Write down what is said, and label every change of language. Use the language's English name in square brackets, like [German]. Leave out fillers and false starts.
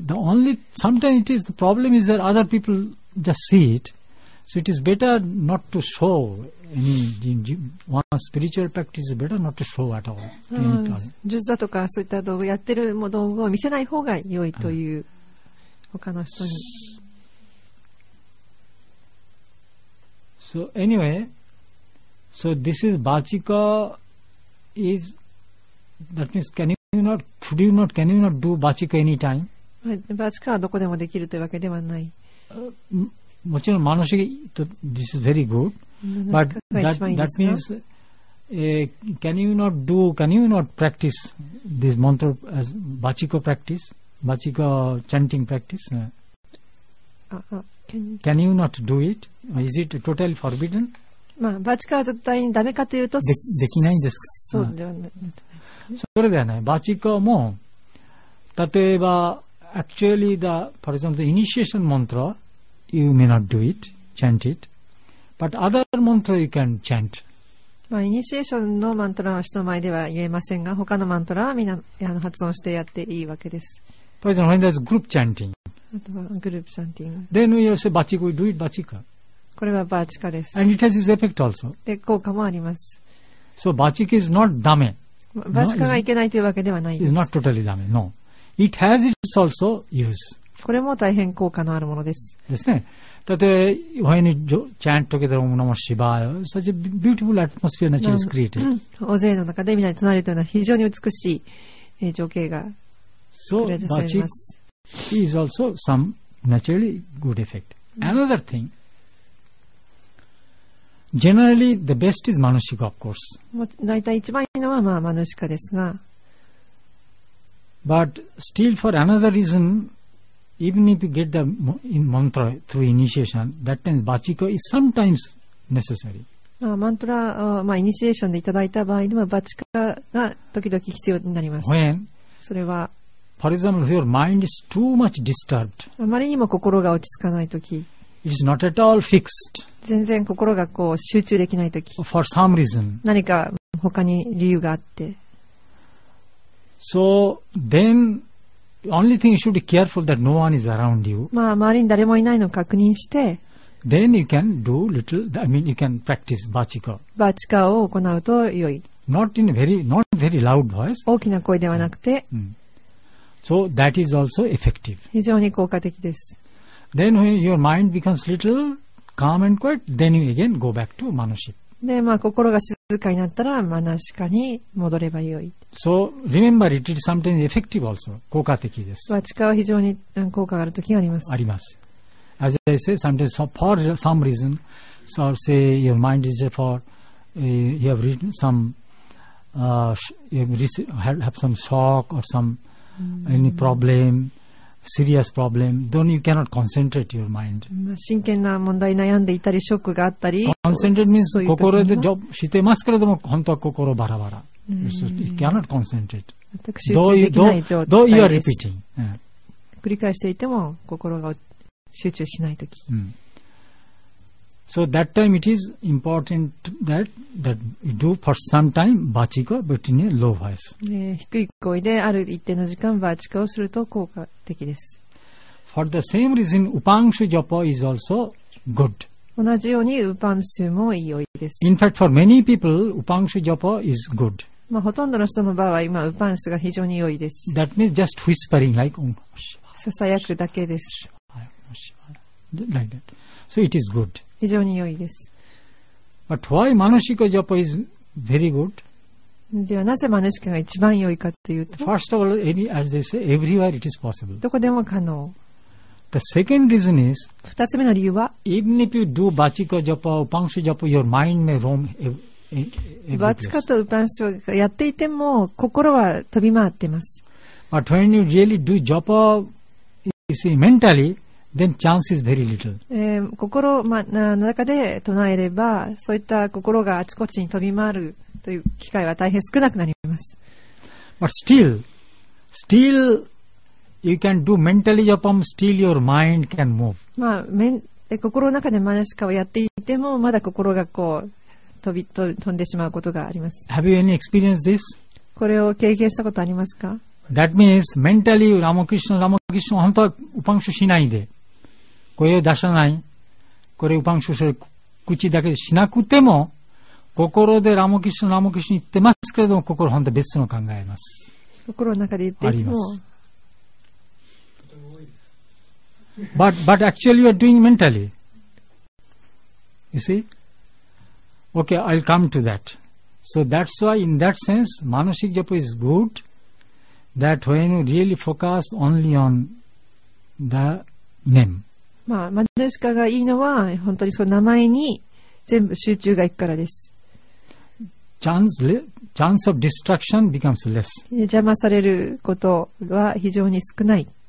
[English] The only sometimes it is the problem is that other people just see it. So it is better not to show any one spiritual practice is better not to show at all. [Japanese] 数珠とかそういった道具やってるも道具を見せない方が良いという他の人に。 [English] So anyway, so this is Bachika. Is that means can you not do bachika anytime? [Japanese] Bachika はどこでもできるというわけではない。もちろん [English] manushika to this is very good. But that means can you not practice this mantra as bachika practice, bachika chanting practice? Can you not do it? Is it totally forbidden? [Japanese] まあ、バチカは絶対にダメかというとできないんですか。そうではないですか、ね、それではない。 [English] バチカも例えば actually the for example the initiation mantra you may not do it chant it but other mantra you can chant、 [Japanese] まあ、イニシエーションのマントラは人の前では言えませんが他のマントラはみんな発音してやっていいわけです。 [English] for example when there's group chanting group chanting then you say バチカ do it バチカ [Japanese] これはバチカです。 [English] And it has its effect also. [Japanese] で効果もあります。 [English] So, bachika is not dame. [Japanese] バチカがいけないというわけではないです。 [English] It's not totally dame. No. It has its also use. [Japanese] これも大変効果のあるものです。ですね。例えば、 [English] When you chant together, Om Namah Shivaya, such a beautiful atmosphere naturally is created. [Japanese] 大勢の中でみんなに唱えるというのは非常に美しい、情景が作り出されます。 [English] So, bachika is also some naturally good effect. Another thing,Generally, the best is manushika, of course. [Japanese] 大体一番いいのはまあマヌシカですが。 [English] But still, for another reason, even if you get the mantra through initiation, that means bachika is sometimes necessary. [Japanese] まあマントラをまあイニシエーションでいただいた場合でもバチカが時々必要になります。 [English] When? [Japanese] それは。 [English] For example, if your mind is too much disturbed. [Japanese] あまりにも心が落ち着かないとき。 [English] It is not at all fixed. [Japanese] 全然心がこう集中できないとき。 [English] For some reason. [Japanese] 何か他に理由があって。 [English] So then, only thing you should be careful that no one is around you. [Japanese] まあ周りに誰もいないのを確認して。 [English] Then you can do little. I mean, you can practice bachika. [Japanese] Bachika を行うと良い。 [English] Not very loud voice. [Japanese] 大きな声ではなくて。 [English] So that is also effective. [Japanese] 非常に効果的です。 [English] Then when your mind becomes little calm and quiet, then you again go back to manushika. [Japanese] で、まあ心が静かになったらマナシカに戻ればよい。 [English] So remember it is sometimes effective also. [Japanese] 効果的です。バチカは非常に効果がある時があります。あります。 [English] As I say, sometimes for some reason, so say your mind is for you have written some have some shock or some any problem. Serious problem. Don't you cannot concentrate your mind? [Japanese] 真剣な問題悩んでいたりショックがあったり。 [English] Concentrate means [Japanese] 心でジョブしてますけれども本当は心バラバラ。 [English] You cannot concentrate. [Japanese] 集中できない状態です。 [English] Though you are repeating. [Japanese] 繰り返していても心が集中しないとき。 [English] So that time it is important that you do for some time bachika but in a low voice. [Japanese] 低い声である一定の時間バチカをすると効果的です。 [English] For the same reason, upangshu japa is also good. [Japanese] 同じようにウパンシュも良いです。 [English] In fact, for many people, upangshu japa is good. [Japanese] まあほとんどの人の場合、今ウパンシュが非常に良いです。 [English] That means just whispering like [Japanese] ささやくだけです。 [English] Like that. So it is good. [Japanese] 非常に良いです。 [English] But why Manushika Japa is very good? [Japanese] ではなぜ Manushika が一番良いかというと、 [English] First of all, as they say, everywhere it is possible. [Japanese] どこでも可能。 [English] The second reason is, [Japanese] 二つ目の理由は、 [English] Even if you do Vachika Japa, Upangsha Japa, your mind may roam everywhere. [Japanese] Vachika と Upangsha がやっていても、心は飛び回っています。 [English] But when you really do Japa, you see, mentally,Then chance is very little. [Japanese] 心の中で唱えれば、そういった心があちこちに飛び回るという機会は大変少なくなります。 [English] But still, you can do mentally japa, still your mind can move. [Japanese] 心の中でマナシカをやっていても、まだ心がこう飛んでしまうことがあります。 [English] Have you any experienced this? [Japanese] これを経験したことありますか? [English] That means mentally, Ramakrishna, [Japanese] 本当はUpangshu しないで。これを出さない、これをウパンシュする口だけしなくても、心でラモキシュン、ラモキシュン言ってますけれども、心は本当に別の考えます。心の中で言っていても。 [English] But actually you are doing mentally. You see? Okay, I'll come to that. So that's why in that sense, Manushik Japa is good, that when you really focus only on the name. [Japanese] マヌシカがいいのは本当にその名前に全部集中がいくからです。 [English] Chance of destruction becomes less. [Japanese] 邪魔されることは非常に少ない。